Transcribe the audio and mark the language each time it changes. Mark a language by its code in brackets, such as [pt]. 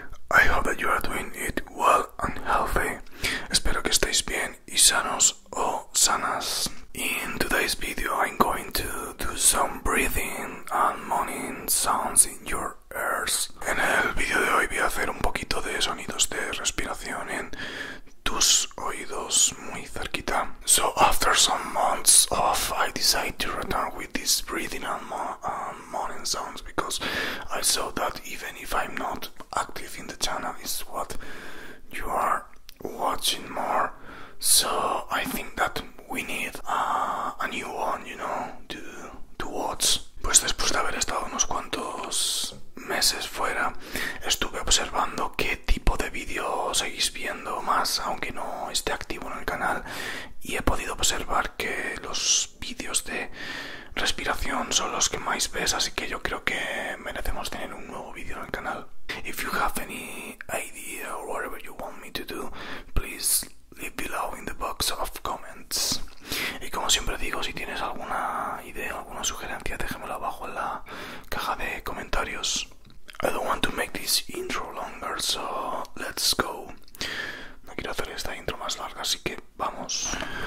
[en] I hope that you are doing it well and healthy. [es] Espero que estéis bien y sanos o sanas. [en] In today's video, I'm going to do some breathing and moaning sounds in your ears. [es] En el video de hoy voy a hacer un poquito de sonidos de respiración en tus oídos muy cerquita. [en] So after some months off, I decided to return with this breathing and moaning sounds because I saw that even if I'm not active in the channel, it's what you are watching more. So I think that we need a new one, you know, to watch. [es] Pues después de haber estado unos cuantos meses fuera, estuve observando qué tipo de vídeo seguís viendo más, aunque no esté activo en el canal, y he podido observar que los vídeos de respiración son los que más ves, así que yo creo que merecemos tener un nuevo vídeo en el canal. [en] If you have any idea or whatever you want me to do, please leave below in the box of comments. [es] Y como siempre digo, si tienes alguna idea, alguna sugerencia, déjamelo abajo en la caja de comentarios. [en] I don't want to make this intro longer, so let's go. [es] No quiero hacer esta intro más larga, así que vamos.